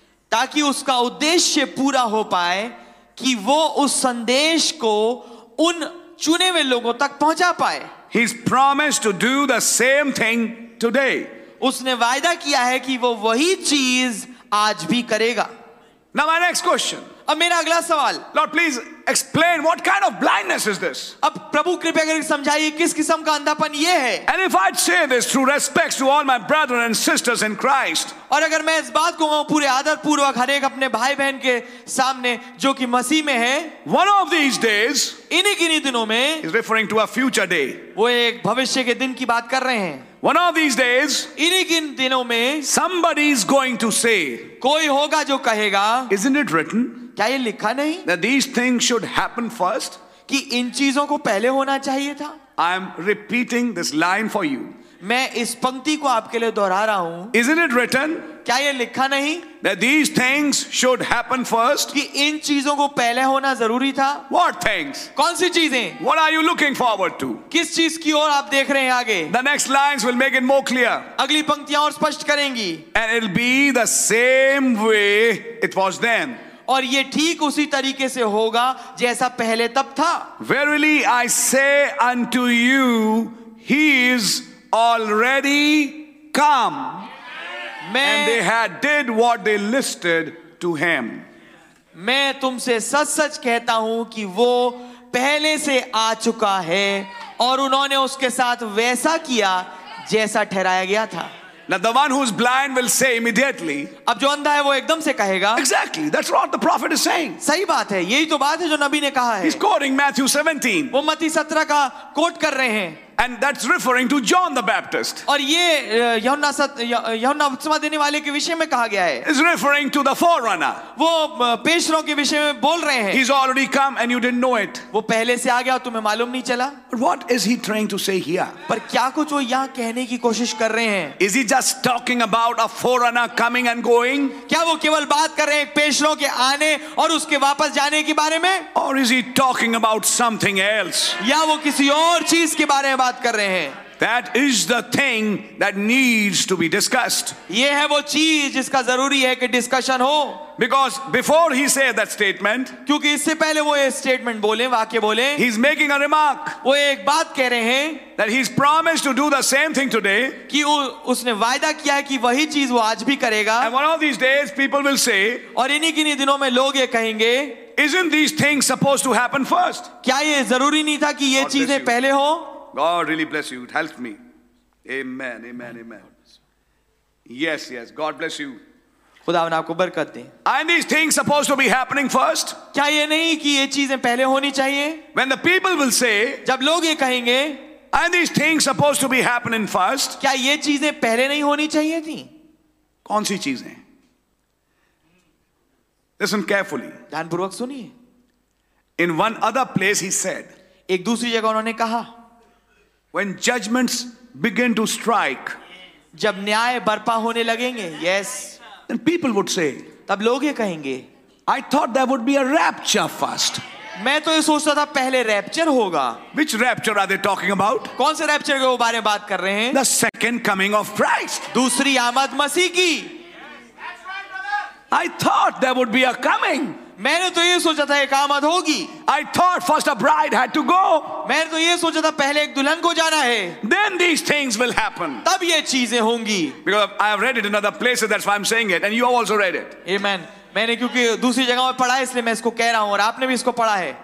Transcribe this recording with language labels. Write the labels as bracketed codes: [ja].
[hi] ताकि उसका उद्देश्य पूरा हो पाए कि वो उस संदेश को उन चुने हुए लोगों तक पहुंचा पाए. [en] He's promised to do the same thing today. [hi] उसने वायदा किया है कि वो वही चीज आज भी करेगा. [en] Now my next question. [hi] अब मेरा अगला सवाल. [en] Lord, please explain what kind of blindness is this. [hi] अब प्रभु कृपया करके समझाइए किस किस्म का अंधापन ये है. [en] And if I'd say this through respect to all my brethren and sisters in Christ. [hi] और अगर मैं इस बात को कहूँ पूरे आदर पूर्वक हर एक अपने भाई बहन के सामने जो कि मसीह में है. [en] One of these days. [hi] इन्हीं किन्हीं दिनों में. [en] He's referring to a future day. [hi] वो एक भविष्य के दिन की बात कर रहे हैं. [en] One of these days, somebody is going to say, [hi] कोई होगा जो कहेगा, [en] isn't it written, [hi] क्या ये लिखा नहीं, [en] that these things should happen first, [hi] कि इन चीजों को पहले होना चाहिए था. [en] I am repeating this line for you. [hi] मैं इस पंक्ति को आपके लिए दोहरा रहा हूं. [en] Isn't it written? [hi] क्या ये लिखा नहीं? [en] That these things should happen first. [hi] कि इन चीजों को पहले होना जरूरी था. [en] What things? [hi] कौन सी चीजें? [en] What are you looking forward to? [hi] किस चीज की ओर आप देख रहे हैं आगे? [en] The next lines will make it more clear. [hi] अगली पंक्तियां और स्पष्ट करेंगी. [en] And it'll be the same way it was then. [hi] और ये ठीक उसी तरीके से होगा जैसा पहले तब था. [en] Verily I say unto you, he is already come. And they had did what they listed to him. [hi] मैं तुमसे सच सच कहता हूं कि वो पहले से आ चुका है और उन्होंने उसके साथ वैसा किया जैसा ठहराया गया था. [en] Now the one who is blind will say immediately. [hi] अब जो अंधा है वो एकदम से कहेगा. [en] Exactly, that's what the prophet is saying. [hi] सही बात है, यही तो बात है जो नबी ने कहा है. [en] He's quoting Matthew 17. [hi] वो मत्ती 17 का कोट कर रहे हैं. [en] And that's referring to John the Baptist. [hi] और ये यहोन्ना बपतिस्मा देने वाले के विषय में कहा गया है. [en] Is referring to the forerunner. [hi] वो पेशरों के विषय में बोल रहे हैं. [en] He's already come and you didn't know it. [hi] वो पहले से आ गया तुम्हें मालूम नहीं चला. [en] But what is he trying to say here? [hi] पर क्या कुछ वो यहाँ कहने की कोशिश कर रहे हैं? [en] Is he just talking about a forerunner coming and going? [hi] क्या वो केवल बात कर रहे हैं पेशरों के आने और उसके वापस जाने के बारे में? [en] Or is he talking about something else? [hi] या वो किसी और चीज के बारे में? [en] That is the thing that needs to be discussed. [hi] ये है वो चीज जिसका जरूरी है कि discussion हो. [en] Because before he said that statement, [hi] क्योंकि इससे पहले वो ये statement बोले, वाक्य बोले, [en] he's making a remark. [hi] वो एक बात कह रहे हैं. [en] That he's promised to do the same thing today. [hi] कि उसने वायदा किया है कि वही चीज वो आज भी करेगा. [en] And one of these days people will say, [hi] और इन्हीं किन्हीं दिनों में लोग ये कहेंगे. [en] Isn't these things supposed to happen first? [hi] क्या ये जरूरी नहीं था कि ये चीजें पहले हो? [en] God really bless you. It helped me. Amen, amen, amen. Yes, yes. God bless you. [hi] खुदावन आपको बरकत दे. [en] Aren't these things supposed to be happening first? [hi] क्या ये नहीं कि ये चीजें पहले होनी चाहिए? [en] When the people will say, [hi] जब लोग ये कहेंगे, [en] Aren't these things supposed to be happening first? [hi] क्या ये चीजें पहले नहीं होनी चाहिए थी? कौन सी चीजें? [en] Listen carefully. [hi] ध्यानपूर्वक सुनिए. [en] In one other place he said, [hi] एक दूसरी जगह उन्होंने कहा, [en] When judgments begin to strike, [hi] जब न्याय बरपा होने लगेंगे, yes, [en] then people would say, [hi] तब लोग ये कहेंगे, [en] I thought there would be a rapture first. [hi] मैं तो ये सोचता था पहले रैप्चर होगा. [en] Which rapture are they talking about? [hi] कौन से रैप्चर के बारे में बात कर रहे हैं? [en] The second coming of Christ. [hi] दूसरी आमद मसीह की. [en] I thought there would be a coming. [hi] मैंने तो ये सोचा था एक आमद होगी. [en] I thought first a bride had to go. [hi] मैंने तो ये सोचा था पहले एक दुल्हन को जाना है. [en] Then these things will happen. [hi] तब ये चीजें होंगी. [en] Because I have read it in other places, that's why I'm saying it, and you have also read it. Amen. [hi] मैंने क्योंकि दूसरी जगह में पढ़ा है इसलिए मैं इसको कह रहा हूँ और आपने भी इसको पढ़ा है.